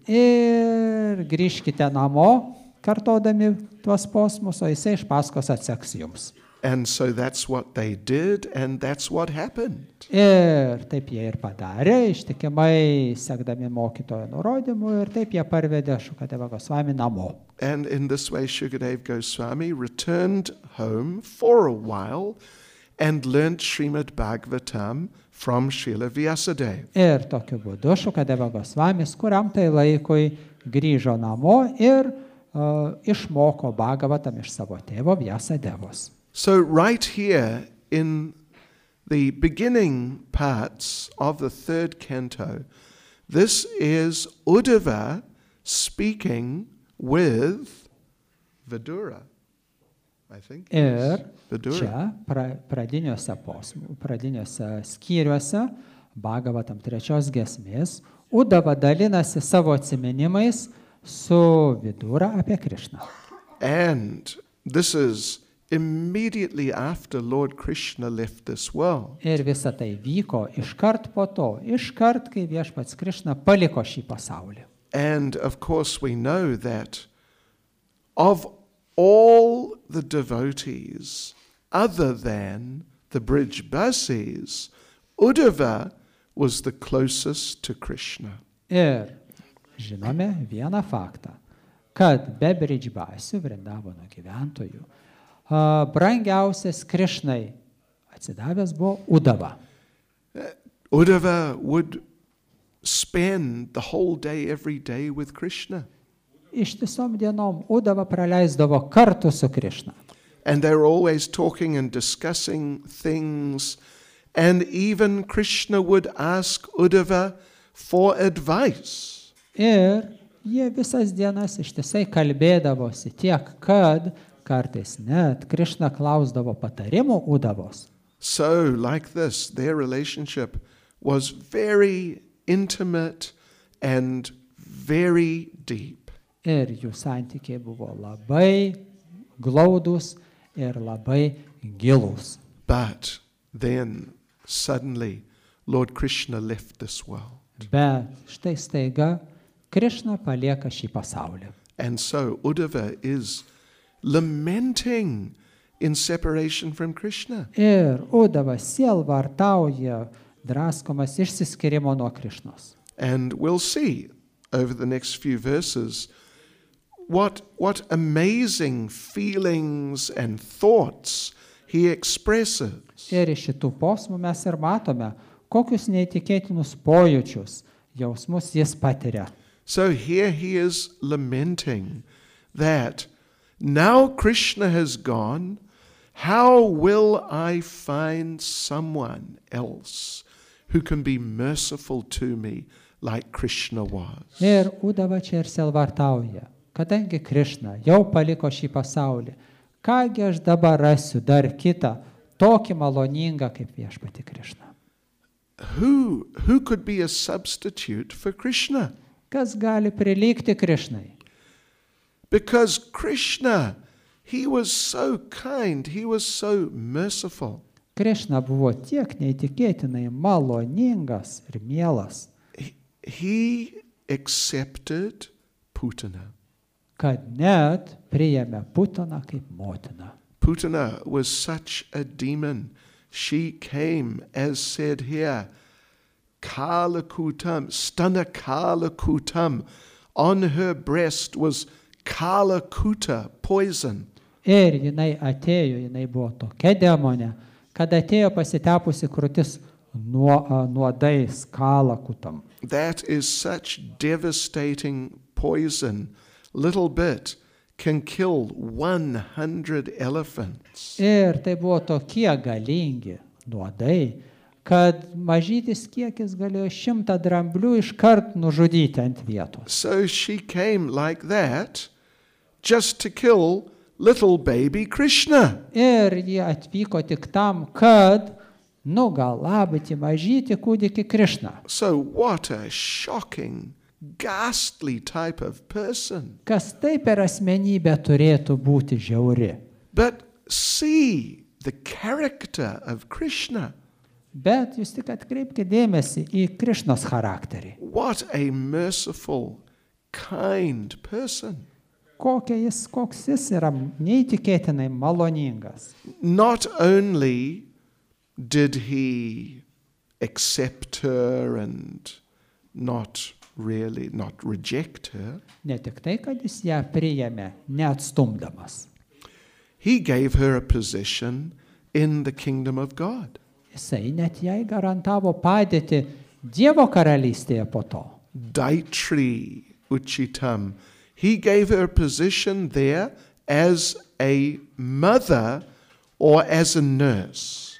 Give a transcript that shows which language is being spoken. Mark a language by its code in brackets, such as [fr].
[lt] Ir grįžkite namo kartodami tuos posmus, o jisai iš paskos atseks jums. [en] And so that's what they did and that's what happened. [lt] Ir taip jie ir padarė, ištikimai sekdami mokytojo nurodymu ir taip jie parvedė Shukadeva Goswami namo. [en] And in this way Shukadeva Goswami returned home for a while and learned Srimad Bhagavatam from Srila Vyasadeva. [lt] Ir tokiu būdu Shukadeva Goswami kuriam tai laikui grįžo namo ir išmoko Bhagavatam iš savo tėvo Vyasadevos. [en] So right here in the beginning parts of the third canto, this is Uddhava speaking with Vidura, I think. [lt] Ir čia pradiniuose posmų, pradiniuose skyriuose Bhagavatam trečios giesmės, Uddhava dalinasi savo atsiminimais su Vidura apie Krishna. [en] And this is immediately after Lord Krishna left this world. [lt] Ir visa tai vyko iškart po to, iškart kai viešpats Krishna paliko šį pasaulį. [en] And of course we know that of all the devotees other than the bridge basis, Uddhava was the closest to Krishna. [lt] Ir žinome vieną faktą, kad be bridge basių Vrindavano gyventojų brangiausias Krišnai atsidavęs buvo Uddhava. [en] Uddhava would spend the whole day every day with Krishna. [lt] Ištisom dienom Uddhava praleisdavo kartu su Krišna. [en] And they were always talking and discussing things and even Krishna would ask Uddhava for advice. [lt] Ir jie visas dienas ištisai kalbėdavosi tiek, kad kartais net Krishna klausdavo patarimų Uddhavos. [en] So like this, their relationship was very intimate and very deep. [lt] Ir jų santykiai buvo labai glaudus ir labai gilus. [en] But then suddenly Lord Krishna left this world. [lt] Bet štai staiga Krishna palieka šį pasaulį. [en] And so Uddhava is lamenting in separation from Krishna. [lt] Ir Uddhava sielvartauja draskomas išsiskyrimo nuo Krishnos. [en] And we'll see over the next few verses what amazing feelings and thoughts he expresses. [lt] Ir iš šitų posmų mes ir matome, kokius neįtikėtinus pojūčius, jausmus jis patiria. [en] So here he is lamenting that now Krishna has gone, how will I find someone else who can be merciful to me like Krishna was? [lt] Ir Uddhava čia ir selvartauja, kadangi Krishna jau paliko šį pasaulį, kągi aš dabar rasiu dar kitą, tokį maloningą kaip viešpatį Krishna? [en] Who could be a substitute for Krishna? [lt] Kas gali prilygti Krishnai? [en] Because Krishna He was so kind, he was so merciful. [lt] Krishna buvo tiek neįtikėtinai maloningas ir mielas. [en] He accepted Putana. [lt] Kad net priėmė Putana kaip motiną. [en] Putana was such a demon. She came, as said here, Kalakutam, Stana Kalakutam. On her breast was Kalakuta, poison. [lt] Ir jinai atėjo, jinai buvo tokia demonė, kad atėjo pasitepusi krūtis nuodais Kalakutam. [en] That is such devastating poison. Little bit can kill 100 elephants. [lt] Ir tai buvo tokie galingi nuodai, kad mažytis kiekis galėjo 100 dramblių iškart nužudyti ant vietos. [en] So she came like that just to kill little baby Krishna. [lt] Ir ji atvyko tik tam, kad nugalabyti mažytį kūdikį Krishna. [en] So what a shocking, ghastly type of person. [lt] Kas tai per asmenybė turėtų būti žiauri. [en] But see the character of Krishna. [lt] Bet jūs tik atkreipkite dėmesį į Krishnos charakterį. [en] What a merciful, kind person. [lt] Koks jis yra neįtikėtinai maloningas. [en] Not only did he accept her and not reject her. [lt] Ne tik tai, kad jis ją priėmė, neatstumdamas. [en] He gave her a position in the kingdom of God. [lt] Jisai net jai garantavo padėti Dievo karalystėje po to. [sa] Daitri Uchitam. [en] He gave her a position there as a mother or as a nurse.